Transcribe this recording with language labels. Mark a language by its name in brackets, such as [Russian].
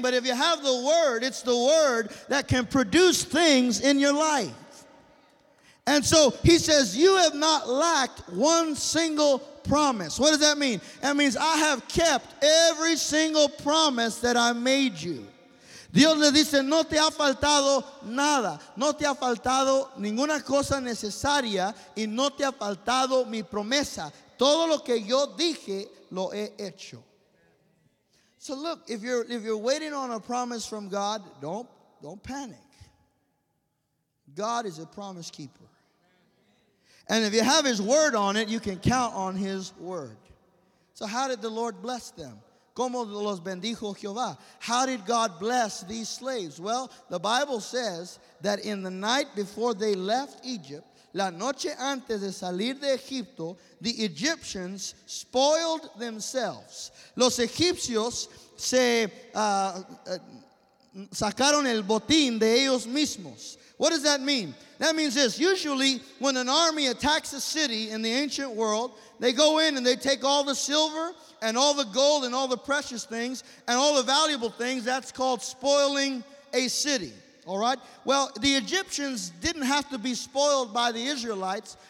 [English] But if you have the word, it's the word that can produce things in your life. And so he says, you have not lacked one single promise. What does that mean? That means I have kept every single promise that I made you. [Spanish] Dios le dice, no te ha faltado nada. No te ha faltado ninguna cosa necesaria y no te ha faltado mi promesa. Todo lo que yo dije, lo he hecho. [English] So look, if you're waiting on a promise from God, don't panic. God is a promise keeper. And if you have his word on it, you can count on his word. So how did the Lord bless them? [Spanish] ¿Cómo los bendijo Jehová? [English] How did God bless these slaves? Well, the Bible says that in the night before they left Egypt, [Spanish] La noche antes de salir de Egipto, [English] the Egyptians spoiled themselves. [Spanish] Los egipcios se sacaron el botín de ellos mismos. [English] What does that mean? That means this. Usually, when an army attacks a city in the ancient world, they go in and they take all the silver and all the gold and all the precious things and all the valuable things. That's called spoiling a city. All right? Well, the Egyptians didn't have to be spoiled by the Israelites.